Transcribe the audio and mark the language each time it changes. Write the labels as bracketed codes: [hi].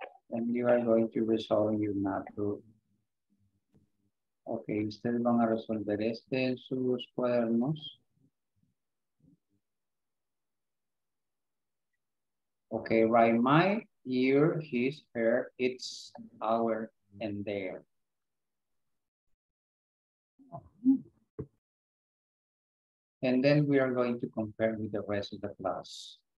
[en] And you are going to resolve your notebook. [es] Okay, ustedes van a resolver este en sus cuadernos. [en] Okay, write my, your, his, her, its, our, and their. And then we are going to compare with the rest of the class.